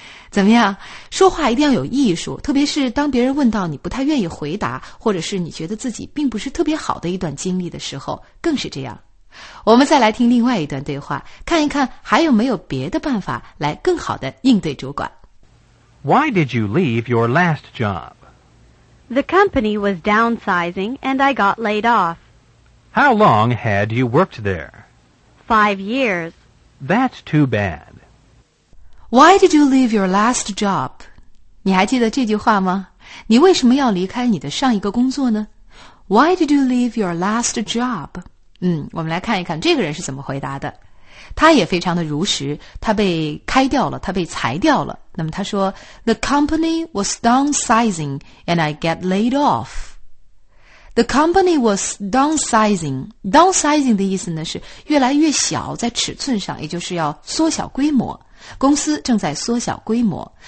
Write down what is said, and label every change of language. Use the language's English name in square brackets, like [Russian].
[Chinese] 怎么样，说话一定要有艺术，特别是当别人问到你不太愿意回答，或者是你觉得自己并不是特别好的一段经历的时候，更是这样。我们再来听另外一段对话，看一看还有没有别的办法来更好地应对主管。 [English] Why did you leave your last job? The company was downsizing and I got laid off. How long had you worked there? 5 years. That's too bad. Why did you leave your last job? [Chinese] 你还记得这句话吗？你为什么要离开你的上一个工作呢？ [English] Why did you leave your last job? [Chinese] 我们来看一看这个人是怎么回答的。他也非常的如实，他被开掉了，他被裁掉了。那么他说 [English] The company was downsizing and I get laid off. The company was downsizing. [Chinese] Downsizing 的意思呢是越来越小，在尺寸上，也就是要缩小规模。公司正在缩小规模。